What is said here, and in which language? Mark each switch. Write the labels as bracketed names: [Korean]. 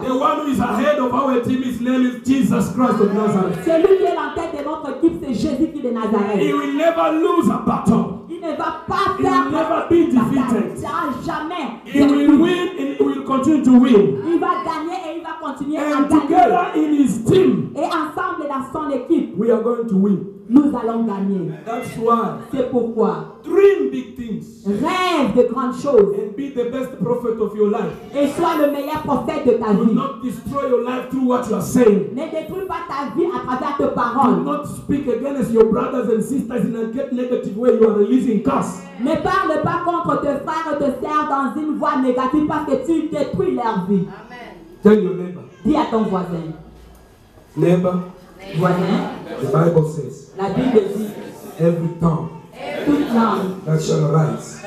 [English] The one who is ahead of our team, his name is Jesus Christ of Nazareth. [French] Celui qui est en tête de notre équipe, c'est Jésus qui de Nazareth. [English] He will never lose a battle. [French] Il ne va pas perdre. [English] He will never be defeated. [French] Jamais. [English] He will win and he will continue to win. [French] Il va gagner et il va continuer à gagner. [English] And together in his team. [French] Et ensemble dans son équipe. [English] We are going to win. [French] Nous allons gagner. [English] That's why. [French] C'est pourquoi. [English] Dream big things. [French] Rêve de grandes choses. [English] And be the best prophet of your life. [French] Et sois le meilleur prophète de ta [English] Do [French] vie. [English] Do not destroy your life through what you are saying. [French] Ne détruis pas ta vie à travers tes paroles. [English] Do not speak against your brothers and sisters in a negative way. You are releasing curses. [French] Ne parle pas contre tes frères et tes sœurs dans une voix négative parce que tu détruis leur vie. [English] Amen. Tell your neighbor. [French] Dis à ton voisin. [English] Neighbor. [French] Voisin. [English] The Bible says. [French] La Bible dit. [English] Every tongue. [French] Toute langue. [English] That shall arise.